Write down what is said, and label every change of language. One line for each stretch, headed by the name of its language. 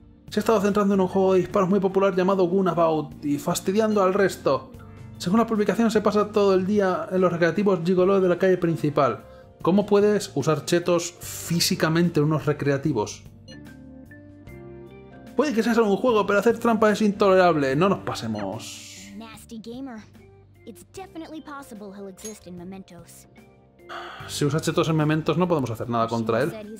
Spanish: Se ha estado centrando en un juego de disparos muy popular llamado Gunabout y fastidiando al resto. Según la publicación, se pasa todo el día en los recreativos gigoló de la calle principal. ¿Cómo puedes usar chetos físicamente en unos recreativos? Puede que sea solo un juego, pero hacer trampa es intolerable. No nos pasemos.
English: Nasty gamer. It's definitely possible he'll exist in Mementos.
Spanish: Si usa chetos en Mementos, no podemos hacer nada contra él.